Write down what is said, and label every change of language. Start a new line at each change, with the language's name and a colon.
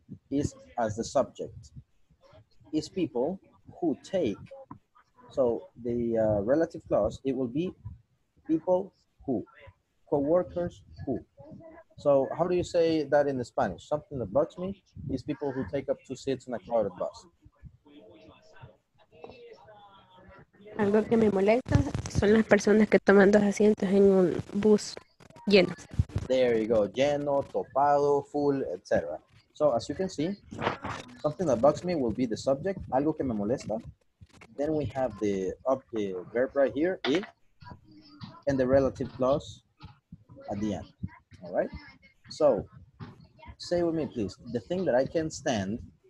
English: Is as the subject. Is people who take. So the relative clause, it will be people who. Co-workers who. So how do you say that in Spanish? Something that bugs me is people who take up two seats in a crowded bus.
Spanish: Algo que me molesta son las personas que toman dos asientos en un bus lleno.
English: There you go.
Spanish: Lleno, topado,
English: full, etc. So as you can see, something that bugs me will be the subject.
Spanish: Algo que me molesta.
English: Then we have the verb right here, it, and the relative clause at the end. All right? So say with me, please. The thing that I can't stand.